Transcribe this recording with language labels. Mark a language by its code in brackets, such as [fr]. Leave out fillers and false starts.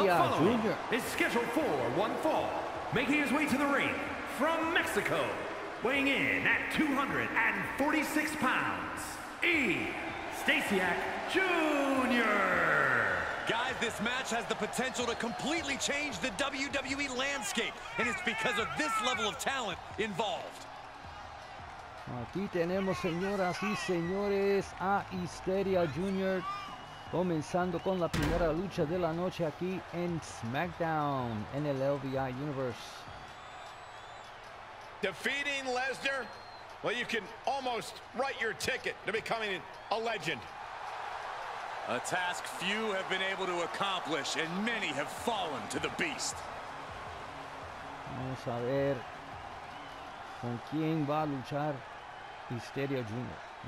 [en] The following is scheduled for one fall, making his way to the ring from Mexico, weighing in at 246 pounds, Histeria Jr. Guys, this match has the potential to completely change the WWE landscape, and it's because of this level of talent involved. [es] Aquí tenemos, señoras y señores, a Histeria Jr. comenzando con la primera lucha de la noche aquí en SmackDown en el LVI Universe. [en] Defeating Lesnar, well, you can almost write your ticket to becoming a legend. A task few have been able to accomplish, and many have fallen to the beast. [es] Vamos a ver con quién va a luchar Histeria Jr.